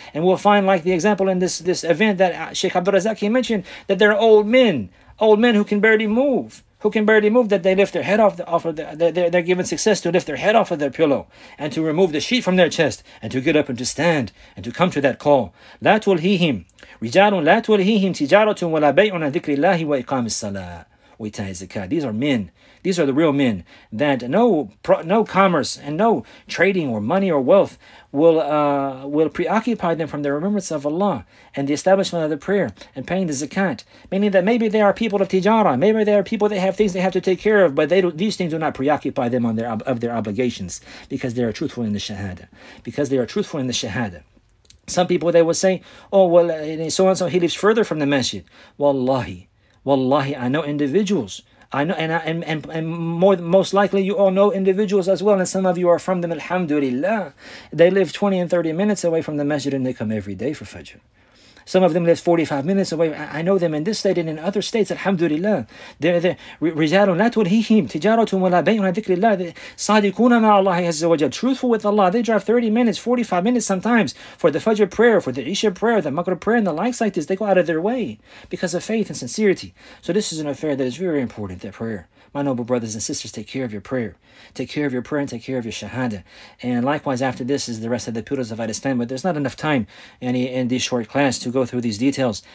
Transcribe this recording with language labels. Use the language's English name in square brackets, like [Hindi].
[English] And we'll find, like the example in this event that Sheikh Abdul Razak mentioned, that there are old men who can barely move. Who can barely move, that they lift their head they're given success to lift their head off of their pillow and to remove the sheet from their chest and to get up and to stand and to come to that call. [Arabic] لا تلهيهم رجال لا تلهيهم تجارة ولا بيع عن ذكر الله وإقام الصلاة. [English] These are men. These are the real men. That no commerce and no trading or money or wealth will preoccupy them from the remembrance of Allah and the establishment of the prayer and paying the zakat. Meaning that maybe they are people of tijara. Maybe they are people that have things they have to take care of, but these things do not preoccupy them of their obligations because they are truthful in the shahada. Because they are truthful in the shahada. Some people, they will say, "Oh, well, so-and-so, he lives further from the masjid." Wallahi, I know individuals. I know, and most likely you all know individuals as well, and some of you are from them, alhamdulillah. They live 20 and 30 minutes away from the masjid, and they come every day for Fajr. Some of them live 45 minutes away. I know them in this state and in other states, alhamdulillah. They're [Arabic] رجال لا تلهيهم تجارة ولا بيع عن ذكر الله صادقون مع الله عز وجل. [English] Truthful with Allah. They drive 30 minutes, 45 minutes sometimes for the Fajr prayer, for the Isha prayer, the Maghrib prayer, and the likes like this. They go out of their way because of faith and sincerity. So this is an affair that is very important, that prayer. My noble brothers and sisters, take care of your prayer. Take care of your prayer and take care of your shahada. And likewise, after this is the rest of the pillars of Adistan, but there's not enough time in this short class to go through these details.